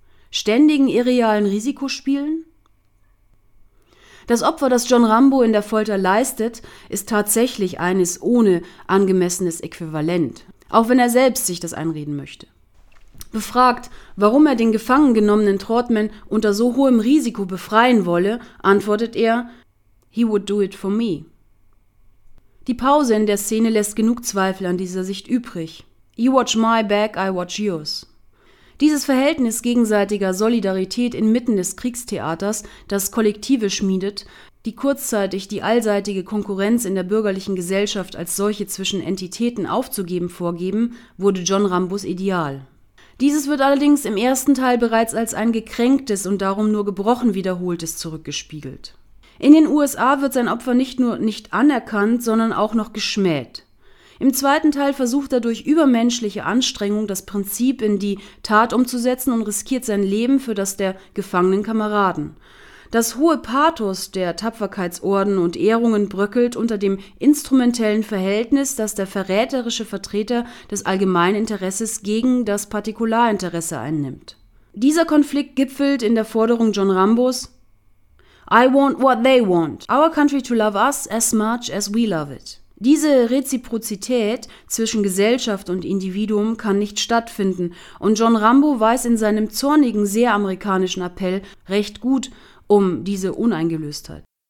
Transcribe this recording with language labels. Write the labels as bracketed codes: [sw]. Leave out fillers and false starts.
[de] Ständigen irrealen Risikospielen? Das Opfer, das John Rambo in der Folter leistet, ist tatsächlich eines ohne angemessenes Äquivalent, auch wenn er selbst sich das einreden möchte. Befragt, warum er den gefangen genommenen Trotman unter so hohem Risiko befreien wolle, antwortet er: [en] He would do it for me. [de] Die Pause in der Szene lässt genug Zweifel an dieser Sicht übrig. [en] You watch my back, I watch yours. [de] Dieses Verhältnis gegenseitiger Solidarität inmitten des Kriegstheaters, das Kollektive schmiedet, die kurzzeitig die allseitige Konkurrenz in der bürgerlichen Gesellschaft als solche zwischen Entitäten aufzugeben vorgeben, wurde John Rambos Ideal. Dieses wird allerdings im ersten Teil bereits als ein gekränktes und darum nur gebrochen wiederholtes zurückgespiegelt. In den USA wird sein Opfer nicht nur nicht anerkannt, sondern auch noch geschmäht. Im zweiten Teil versucht er durch übermenschliche Anstrengung das Prinzip in die Tat umzusetzen und riskiert sein Leben für das der gefangenen Kameraden. Das hohe Pathos der Tapferkeitsorden und Ehrungen bröckelt unter dem instrumentellen Verhältnis, das der verräterische Vertreter des allgemeinen Interesses gegen das Partikularinteresse einnimmt. Dieser Konflikt gipfelt in der Forderung John Rambos: [en] I want what they want. Our country to love us as much as we love it. [de] Diese Reziprozität zwischen Gesellschaft und Individuum kann nicht stattfinden und John Rambo weiß in seinem zornigen, sehr amerikanischen Appell recht gut um diese Uneingelöstheit.